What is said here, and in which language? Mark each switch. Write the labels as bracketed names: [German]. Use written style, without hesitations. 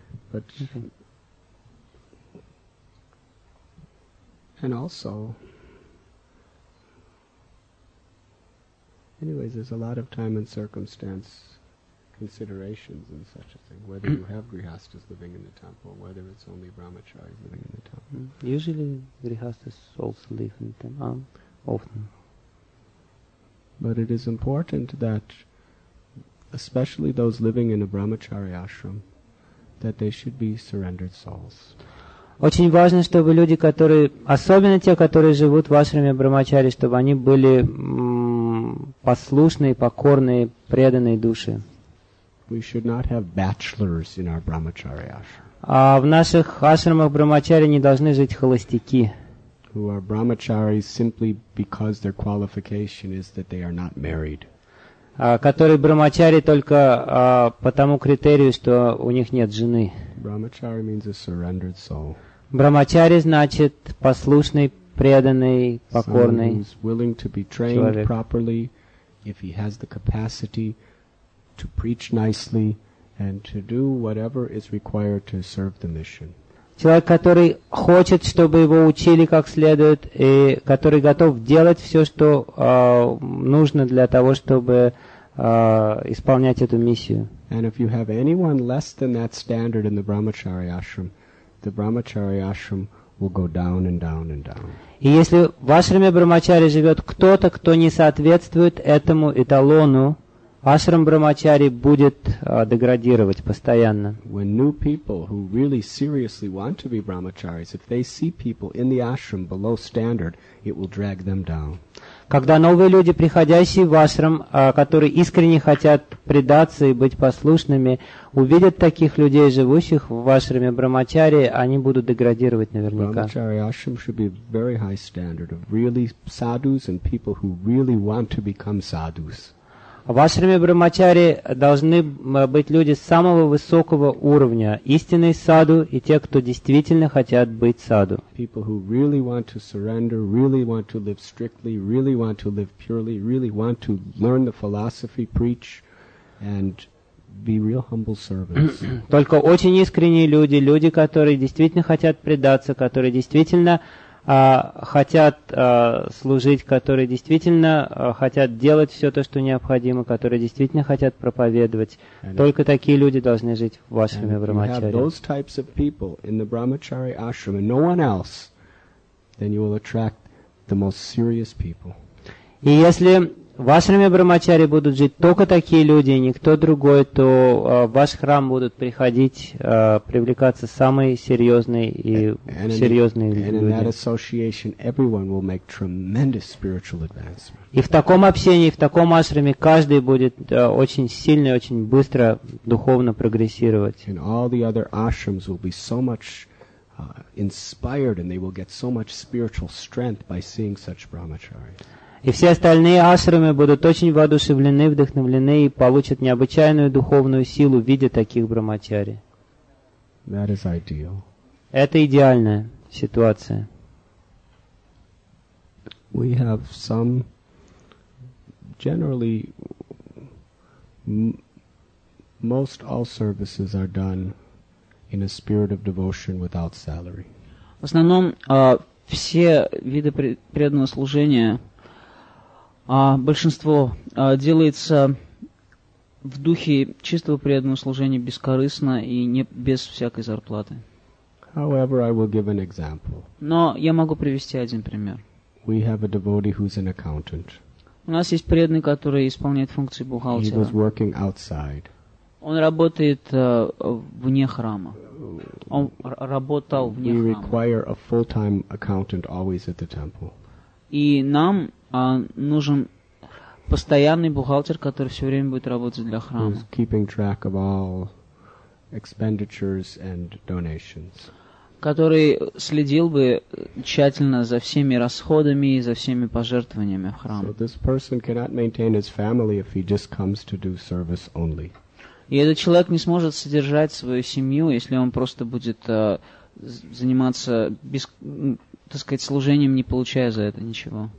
[English] But and also, anyways, there's a lot of time and circumstance considerations and such a thing, whether you have grihasthas living in the temple, whether it's only brahmacharis living in the temple. Usually grihasthas also live in the temple, often. But it is important that, especially those living in a brahmachari ashram, that they should be surrendered souls. [Russian] Очень важно, чтобы люди, которые, особенно те, которые живут в ашраме брахмачари, чтобы они были послушные, покорные, преданные души. [English] We should not have bachelors in our brahmachari ashram. [Russian] А в наших ашрамах брахмачари не должны жить холостяки. [English] Who are brahmacharis simply because their qualification is that they are not married. [Russian] Которые брахмачари только по тому критерию, что у них нет жены. [English] Brahmachari means a surrendered soul. [Russian] Брахмачари значит послушный, преданный, покорный. [English] Someone who's willing to be trained [Russian] человек. [English] Properly, if he has the capacity to preach nicely and to do whatever is required to serve the mission. [Russian] Человек, который хочет, чтобы его учили как следует, и который готов делать все, что нужно для того, чтобы исполнять эту миссию. [English] And if you have anyone less than that standard in the brahmachari ashram will go down and down and down. [Russian] И если в ашраме брахмачари живет кто-то, кто не соответствует этому эталону, ашрам брахмачари будет деградировать постоянно. [English] When new people who really seriously want to be brahmacharis, if they see people in the ashram below standard, it will drag them down. [Russian] Когда новые люди, приходящие в ашрам, которые искренне хотят предаться и быть послушными, увидят таких людей, живущих в ашраме брахмачари, они будут деградировать наверняка. [English] Brahmachari ashram should be a very high standard of really sadhus and people who really want to become sadhus. [Russian] В ашраме брахмачари должны быть люди самого высокого уровня, истинные саду и те, кто действительно хотят быть саду. [English] People who really want to surrender, really want to live strictly, really want to live purely, really want to learn the philosophy, preach, and be real humble servants. [Russian] Только очень искренние люди, люди, которые действительно хотят предаться, которые действительно хотят служить, которые действительно хотят делать все то, что необходимо, которые действительно хотят проповедовать. [English] And [Russian] только [English] if, [Russian] такие люди должны жить в ашраме брахмачари. [English] If you have those types of people in the brahmachari ashram and no one else, then you will attract the most serious people. [Russian] И если в ашраме брахмачари будут жить только такие люди, и никто другой, то в ваш храм будут приходить, привлекаться самые серьезные и серьезные люди. И в таком общении, в таком ашраме каждый будет очень сильно и очень быстро духовно прогрессировать. [English] And all the other ashrams will be so much inspired, and they will get so much spiritual strength by seeing such brahmacharis. [Russian] И все остальные ашрамы будут очень воодушевлены, вдохновлены и получат необычайную духовную силу в виде таких брахмачари. [English] That is ideal. [Russian] Это идеальная ситуация. [English] We have some generally most all services are done in a spirit of devotion without salary. [Russian] В основном все виды преданного служения большинство делается в духе чистого преданного служения бескорыстно и не, без всякой зарплаты. [English] However, I will give an example. [Russian] Но я могу привести один пример. [English] We have a devotee who's an accountant. [Russian] У нас есть преданный, который исполняет функции бухгалтера. [English] He was working outside. [Russian] Он работает вне храма. Он работал вне храма. [English] We require a full-time accountant always at the temple. [Russian] И нам нужен постоянный бухгалтер, который все время будет работать для храма. [English] Who's keeping track of all expenditures and donations. [Russian] Который следил бы тщательно за всеми расходами и за всеми пожертвованиями в храм. [English] So this person cannot maintain his family if he just comes to do service only. [Russian] И этот человек не сможет содержать свою семью, если он просто будет заниматься без, так сказать, служением, не получая за это ничего.